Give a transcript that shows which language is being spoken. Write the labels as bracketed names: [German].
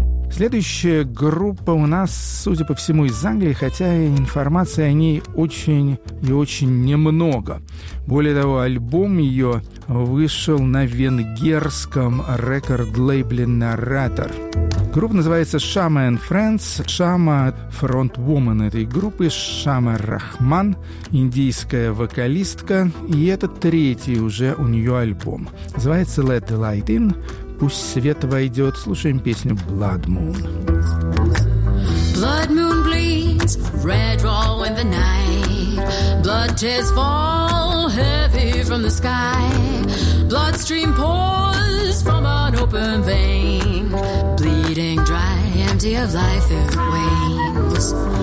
[Russian] Следующая группа у нас, судя по всему, из Англии, хотя информации о ней очень и очень немного. Более того, альбом ее вышел на венгерском рекорд-лейбле «Narrator». Группа называется «Shama and Friends». Shama – фронтвумен этой группы, Shama Rahman – индийская вокалистка. И это третий уже у нее альбом. Называется «Let the Light In» – «Пусть свет войдет». Слушаем песню «Blood Moon». [English] Blood moon bleeds, red raw in the night. Blood tears fall heavy from the sky. Blood stream pours from an open vein. Bleeding dry, empty of life it wanes.